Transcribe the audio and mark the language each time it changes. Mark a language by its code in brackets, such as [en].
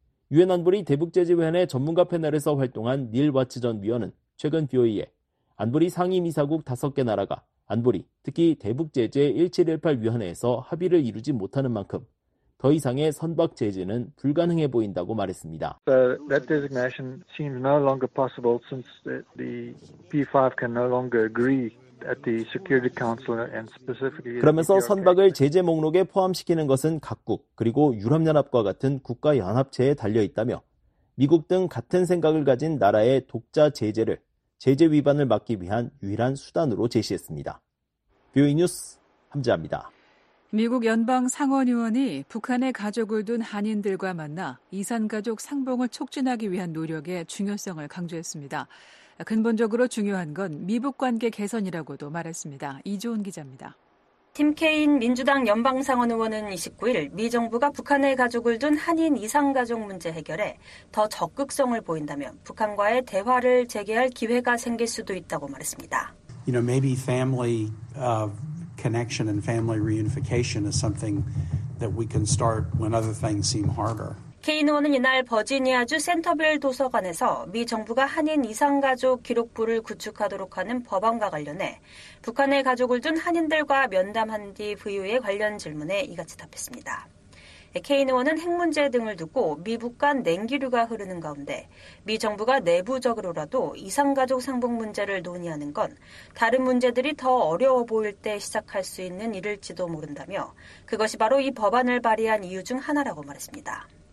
[ko] 유엔 안보리 대북제재위원회 전문가 패널에서 활동한 닐 와츠 전 위원은 최근 BOE에 안보리 상임이사국 5개 나라가 안보리, 특히 대북제재 1718위원회에서 합의를 이루지 못하는 만큼 더 이상의 선박 제재는 불가능해 보인다고 말했습니다. [en] That designation seems no longer possible since the P5 can no longer agree at the Security Council and specifically. [ko] 그러면서 선박을 제재 목록에 포함시키는 것은 각국 그리고 유럽연합과 같은 국가연합체에 달려있다며 미국 등 같은 생각을 가진 나라의 독자 제재를 제재 위반을 막기 위한 유일한 수단으로 제시했습니다. 뷰이 뉴스 함지아입니다. 미국 연방 상원의원이 북한의 가족을 둔 한인들과 만나 이산가족 상봉을 촉진하기 위한 노력의 중요성을 강조했습니다. 근본적으로 중요한 건 미북관계 개선이라고도 말했습니다. 이조은 기자입니다. 팀 케인 민주당 연방 상원의원은 29일 미 정부가 북한의 가족을 둔 한인 이산가족 문제 해결에 더 적극성을 보인다면 북한과의 대화를 재개할 기회가 생길 수도 있다고 말했습니다. [en] You know, maybe family connection and family reunification is something that we can start when other things seem harder. [ko] 케인 의원은 이날 버지니아주 센터빌 도서관에서 미 정부가 한인 이산가족 기록부를 구축하도록 하는 법안과 관련해 북한의 가족을 둔 한인들과 면담한 뒤 부유에 관련 질문에 이같이 답했습니다. 케인 의원은 핵 문제 등을 두고 미북 간 냉기류가 흐르는 가운데 미 정부가 내부적으로라도 이산가족 상봉 문제를 논의하는 건 다른 문제들이 더 어려워 보일 때 시작할 수 있는 일일지도 모른다며 그것이 바로 이 법안을 발의한 이유 중 하나라고 말했습니다.